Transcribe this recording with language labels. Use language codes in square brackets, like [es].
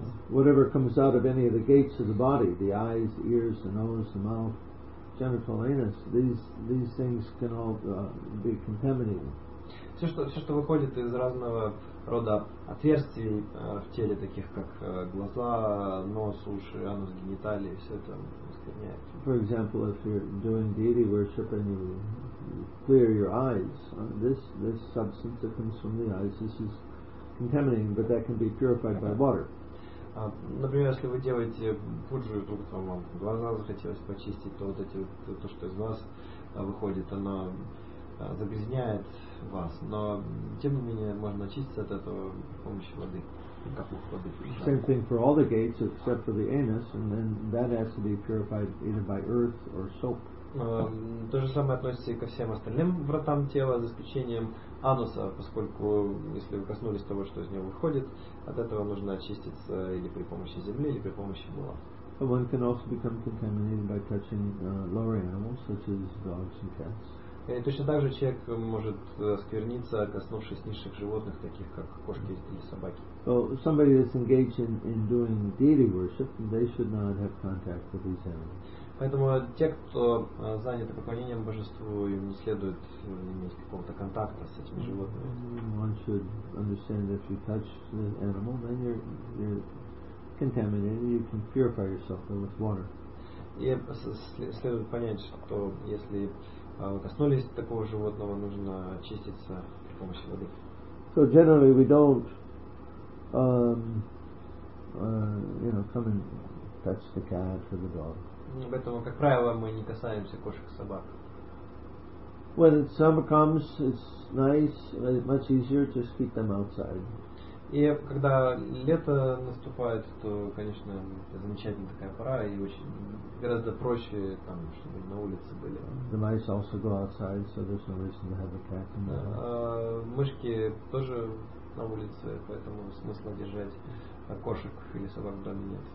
[en] whatever comes out of any of the gates of the body, the eyes, the ears, the nose, the mouth, genital anus, these things can all be contaminated. [ru] Все, что выходит из разного рода отверстий в теле, таких как глаза, нос, уши, анус, гениталии, все это оскверняет. [en] For example, if you're doing deity worship and you clear your eyes, this substance that comes from the eyes, this is contaminating, but that can be purified by water. [ru] Например, если вы делаете пуджу, вдруг там вам глаза захотелось почистить, то вот эти вот то, что из вас выходит, оно загрязняет вас. Но тем не менее можно очиститься от этого с помощью воды, капух воды. [en] Same thing for all the gates except for the anus, and then that has to be purified either by earth or soap. [ru] То же самое относится и ко всем остальным вратам тела, за исключением ануса, поскольку если вы коснулись того, что из него выходит, от этого нужно очиститься или при помощи земли, или при помощи мыла. [en] One can also become contaminated by touching lower animals, such as dogs and cats. [ru] И точно так же человек может оскверниться, коснувшись низших животных, таких как кошки или собаки. [en] So somebody that's engaged in doing deity worship, they should not have contact with these animals. [ru] Поэтому те, кто заняты поклонением божеству, им не следует иметь какого-то контакта с этими животными. [en] One should understand that if you touch the animal, then you're contaminated. You can purify yourself with water. [ru] И следует понять, что если коснулись такого животного, нужно очиститься при помощи воды. [en] So generally we don't, you know, come and touch the cat or the dog. [ru] Поэтому, как правило, мы не касаемся кошек и собак. [en] When the summer comes, it's nice, much easier to just keep them outside. [ru] И когда лето наступает, то, конечно, это замечательная такая пора, и очень гораздо проще там, чтобы на улице были. [en] The mice also go outside, so there's no reason to have a cat in the house. [ru] Мышки тоже на улице, поэтому смысла держать кошек или собак в доме нет.